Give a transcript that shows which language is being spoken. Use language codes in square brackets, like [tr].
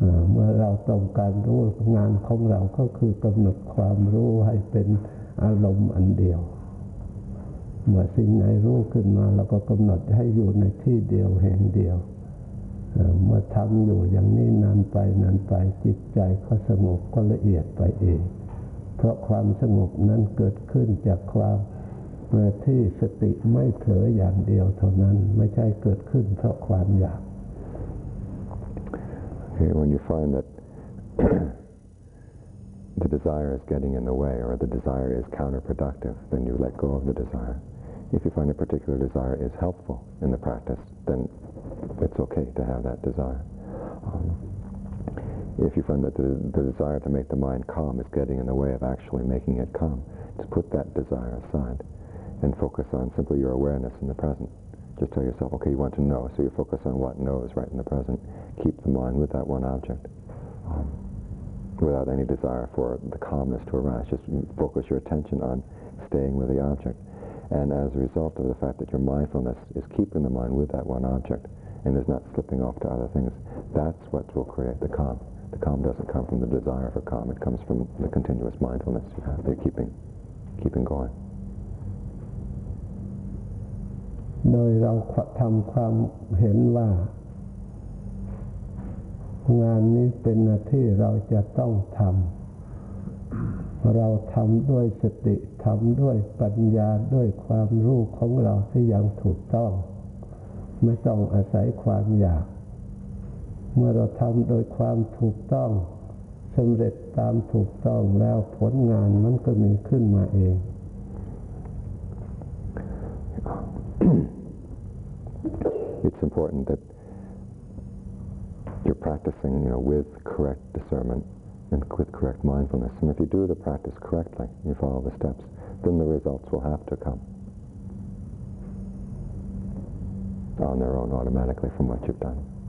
[th] เมื่อเราต้องการรู้งานของเราก็คือกำหนดความรู้ให้เป็นอารมณ์อันเดียวเมื่อสิ่งไหนรู้ขึ้นมาเราก็กำหนดให้อยู่ในที่เดียวแห่งเดียวเมื่อทำอยู่อย่างนี้นานไปจิตใจก็สงบก็ละเอียดไปเองเพราะความสงบนั้นเกิดขึ้นจากความเมื่อที่สติไม่เผลออย่างเดียวเท่านั้นไม่ใช่เกิดขึ้นเพราะความอยาก [en] Okay, when you find that the desire is getting in the way or the desire is counterproductive, then you let go of the desire. If you find a particular desire is helpful in the practice, then it's okay to have that desire. If you find that the desire to make the mind calm is getting in the way of actually making it calm, just put that desire aside. And focus on simply your awareness in the present. Just tell yourself, okay, you want to know, so you focus on what knows right in the present. Keep the mind with that one object, without any desire for the calmness to arise. Just focus your attention on staying with the object. And as a result of the fact that your mindfulness is keeping the mind with that one object and is not slipping off to other things, that's what will create the calm. The calm doesn't come from the desire for calm. It comes from the continuous mindfulness you have. They're keeping going. [th] โดยเราทำความเห็นว่างานนี้เป็นที่เราจะต้องทำเราทำด้วยสติทำด้วยปัญญาด้วยความรู้ของเราที่ยังถูกต้องไม่ต้องอาศัยความอยากเมื่อเราทำโดยความถูกต้องสำเร็จตามถูกต้องแล้วผลงานมันก็มีขึ้นมาเอง [en] It's important that you're practicing, you know, with correct discernment and with correct mindfulness. And if you do the practice correctly, you follow the steps, then the results will have to come on their own automatically from what you've done.